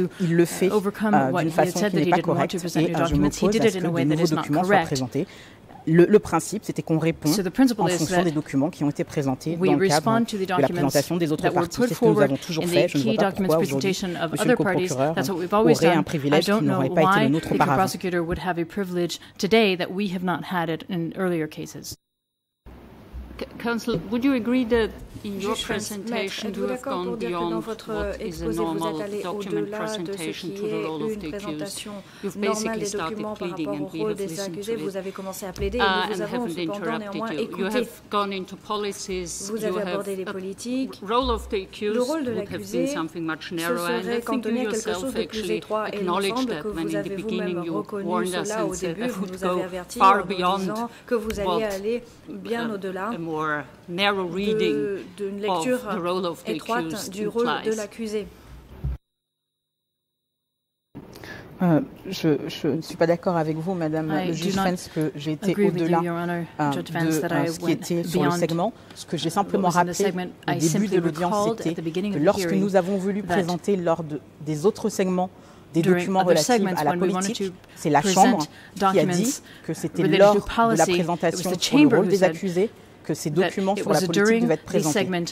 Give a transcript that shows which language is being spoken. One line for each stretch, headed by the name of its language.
French: Il le fait d'une façon qui n'est pas correcte et je m'oppose à ce que de nouveaux documents soient présentés. Le principe, c'était qu'on répond en fonction des documents qui ont été présentés dans le cadre de la présentation des autres parties. C'est ce que nous avons toujours fait. Je ne vois pas pourquoi aujourd'hui, M. le co-procureur aurait un privilège qui n'aurait pas été le nôtre auparavant. M. le privilège
English: today that we have not had it in earlier cases. Counsel, would you agree that in your presentation you have gone beyond what is a normal document presentation to the role of the accused? You've basically started pleading and we have listened to it and haven't interrupted you. You have gone into policies, you have the role of the accused would have been something much narrower and I think you yourself actually acknowledged that when in the beginning you warned us and said that would go far beyond what more narrow reading of the role of the accused implies.
French: Je ne suis pas d'accord avec vous, Madame Jusfens, que j'ai été au-delà de ce qui était sur le segment. Ce que j'ai simplement rappelé au début de l'audience, c'était que lorsque nous avons voulu présenter lors des autres segments des documents relatifs à la politique, c'est la Chambre qui a dit que c'était lors de la présentation sur le rôle des accusés que ces documents sur la politique devaient être présentés.